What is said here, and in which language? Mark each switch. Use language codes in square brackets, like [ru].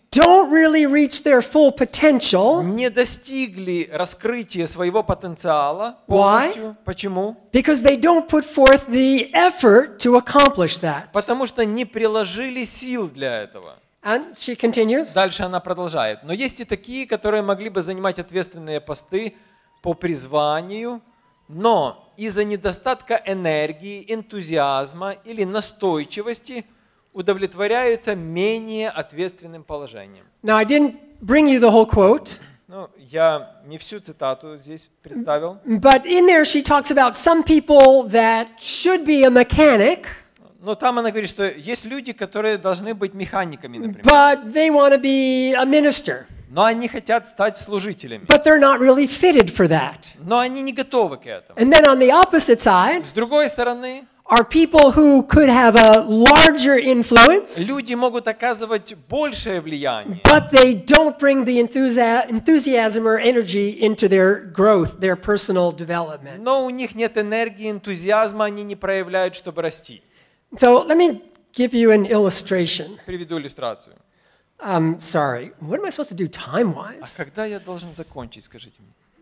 [en] don't really reach their full potential. [ru] Не достигли раскрытия своего потенциала полностью. [en] Why? [ru] Почему? [en] Because they don't put forth the effort to accomplish that. [ru] Потому что не приложили сил для этого. [en] And she continues. [ru] Дальше она продолжает. Но есть и такие, которые могли бы занимать ответственные посты по призванию, но из-за недостатка энергии, энтузиазма или настойчивости удовлетворяются менее ответственным положением. [en] Now, I didn't bring you the whole quote. [ru] Ну, я не всю цитату здесь представил. [en] But in there she talks about some people that should be a mechanic. [ru] Но там она говорит, что есть люди, которые должны быть механиками, например. [en] But they want to be a minister. [ru] Но они хотят стать служителями. [en] But they're not really fitted for that. [ru] Но они не готовы к этому. [en] And then on the opposite side, [ru] с другой стороны, [en] are people who could have a larger influence. [ru] Люди могут оказывать большее влияние. [en] But they don't bring the enthusiasm or energy into their growth, their personal development. [ru] Но у них нет энергии, энтузиазма, они не проявляют, чтобы расти. [en] So let me give you an illustration. [ru] Приведу иллюстрацию. [en] Sorry. What am I supposed to do time-wise? [ru] А когда я должен закончить, скажите мне?